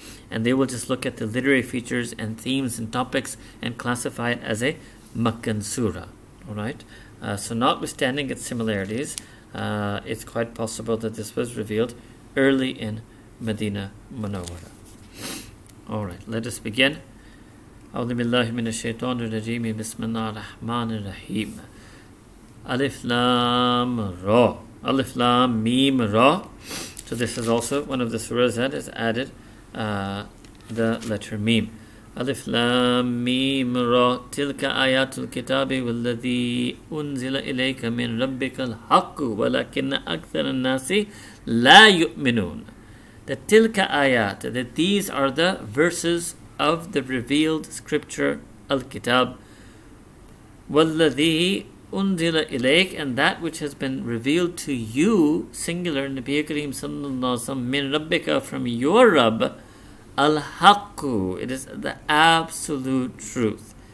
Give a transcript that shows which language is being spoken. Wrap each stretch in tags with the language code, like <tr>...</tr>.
<en>And they will just look at the literary features and themes and topics and classify it as a Meccan surah, alright? So notwithstanding its similarities, it's quite possible that this was revealed early in Medina Munawwara. Alright, let us begin.</en> <ar>أعوذ بالله من الشيطان الرجيم بسم الله الرحمن الرحيم ألف لام را ألف لام ميم را.</ar> <en>So this is also one of the surahs that has added the letter ميم.</en> <ar>ألف لام ميم را تلك آيات الكتاب والذي أنزل إليك من ربك الحق ولكن أكثر الناس لا يؤمنون.</ar> <en>The</en> <ar>تلك آيات,</ar> <en>that these are the verses of the revealed scripture Al-Kitab,</en> <ar>وَالَّذِي أُنْزِلَ إِلَيْكَ,</ar> <en>and that which has been revealed to you, singular, Nabi Kareem Sallallahu Alaihi Wasallam,</en> <ar>مِنْ رَبِّكَ,</ar> <en>from your Rabb, Al-Haqqu, it is the absolute truth.</en>